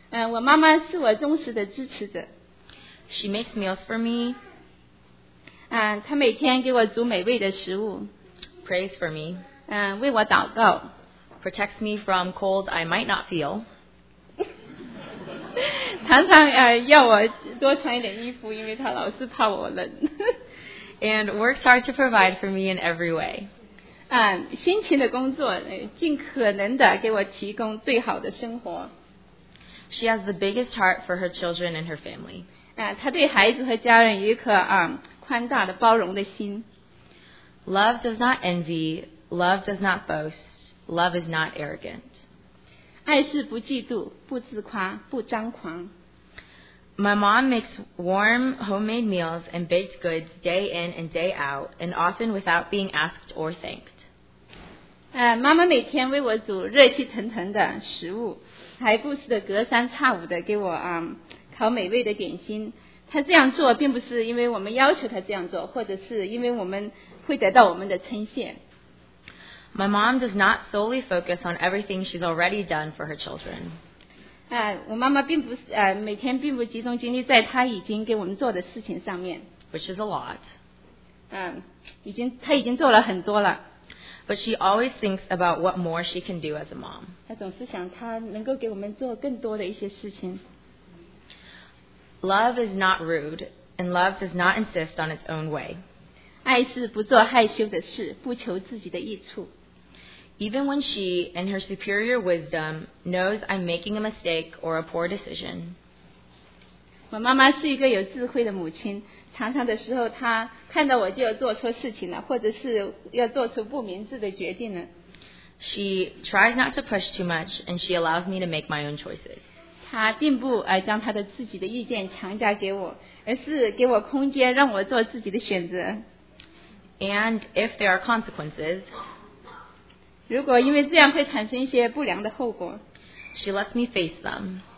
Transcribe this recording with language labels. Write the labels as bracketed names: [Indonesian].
[Chinese] 我妈妈是我忠实的支持者。 [English] She makes meals for me. [Chinese] 她每天给我煮美味的食物。 [English] Prays for me. [Chinese] 为我祷告。 [English] Protects me from cold I might not feel. [Chinese] 常常要我多穿一点衣服，因为她老是怕我冷。 [English] And works hard to provide for me in every way. [Chinese] 辛勤的工作，尽可能的给我提供最好的生活。 [English] She has the biggest heart for her children and her family. [Chinese] 她对孩子和家人有一颗宽大的包容的心。 [English] Love does not envy. Love does not boast. Love is not arrogant. [Chinese] 爱是不嫉妒，不自夸，不张狂。 [English] My mom makes warm homemade meals and baked goods day in and day out, and often without being asked or thanked. [Chinese] 妈妈每天为我煮热气腾腾的食物，还不时的隔三差五的给我烤美味的点心。她这样做并不是因为我们要求她这样做，或者是因为我们会得到我们的称谢。 [English] My mom does not solely focus on everything she's already done for her children. [Chinese] 我妈妈并不是每天并不集中精力在她已经给我们做的事情上面。 [English] Which is a lot. [Chinese] 她已经做了很多了。 [English] But she always thinks about what more she can do as a mom. [Chinese] 她总是想她能够给我们做更多的一些事情。 [English] Love is not rude, and love does not insist on its own way. [Chinese] 爱是不做害羞的事，不求自己的益处。 [English] Even when she, in her superior wisdom, knows I'm making a mistake or a poor decision. [Chinese] 我妈妈是一个有智慧的母亲，常常的时候她看到我就要做错事情了，或者是要做出不明智的决定了。 [English] She tries not to push too much, and she allows me to make my own choices. [Chinese] 她并不将她的自己的意见强加给我，而是给我空间让我做自己的选择。 [English] And if there are consequences... [Chinese] 如果因为这样会产生一些不良的后果 [English] She lets me face them.